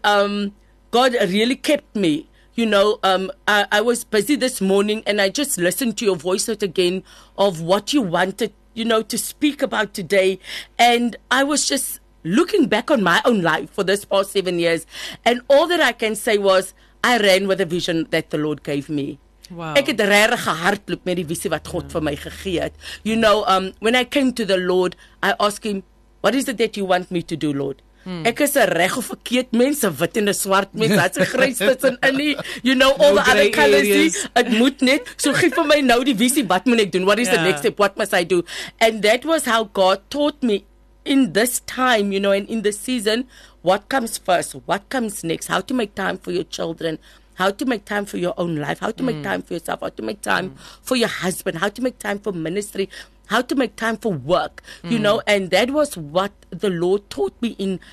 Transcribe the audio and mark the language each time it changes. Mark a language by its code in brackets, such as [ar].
[en] And God really kept me. You know, I was busy this morning, and I just listened to your voice out again of what you wanted, you know, to speak about today. And I was just looking back on my own life for this past 7 years, and all that I can say was, I ran with a vision that the Lord gave me. Wow. [af] Ek het regtig gehardloop met die visie wat God vir my gegee het. [en] You know, when I came to the Lord, I asked Him, what is it that you want me to do, Lord? [af] Hmm. Ek is 'n reg of verkeerd mens, wit en 'n swart mens, wat's 'n grys tussenin, [en] you know, all the other colors. [af] Ek moet net, so gee vir my nou die visie, wat moet ek doen? [en] What is the next step? What must I do? And that was how God taught me in this time, you know, and in the season, what comes first, what comes next, how to make time for your children, how to make time for your own life, how to make time for yourself, how to make time for your husband, how to make time for ministry, how to make time for work, you know, and that was what the Lord taught me in.